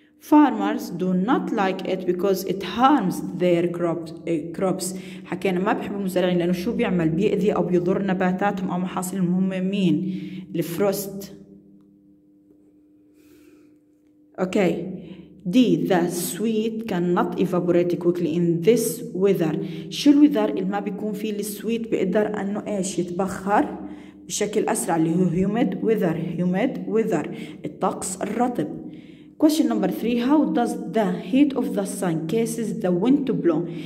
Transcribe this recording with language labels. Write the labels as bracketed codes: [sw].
[en] farmers do not like it because it harms their crops. [ar] حكينا ما بحب المزارعين لانه شو بيعمل بيأذي او بيضر نباتاتهم او محاصيل المهمة. مين الفروست؟ okay D. [en] The sweet cannot evaporate quickly in this weather. [ar] شو الوذر اللي ما بيكون فيه السويت بيقدر أنه إيش يتبخر بشكل أسرع اللي هو [en] humid weather. humid weather [ar] الطقس الرطب. [en] question number 3. how does the heat of the sun causes the wind to blow.